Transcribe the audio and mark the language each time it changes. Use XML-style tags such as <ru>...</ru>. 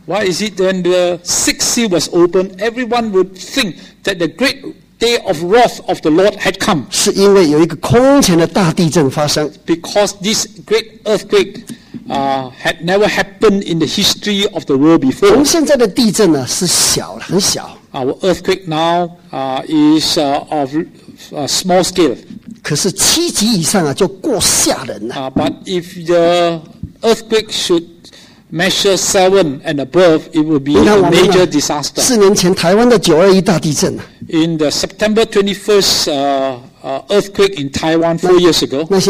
<en>Why is it when the sixth seal was opened, everyone would think that the great day of wrath of the Lord had come.</en> <zh>是因为有一个空前的大地震发生。</zh> <en>Because this great earthquake had never happened in the history of the world before.</en> <zh>我们现在的地震是小了，很小。</zh> <en>Our earthquake now is of small scale.</en> <zh>可是七级以上就过吓人了。</zh> <en>But if the earthquake should measure 7 and above, it would be a major disaster.</en> <zh>4年前台湾的921大地震。</zh> <en>In the September 21st earthquake in Taiwan 4 years ago,</en>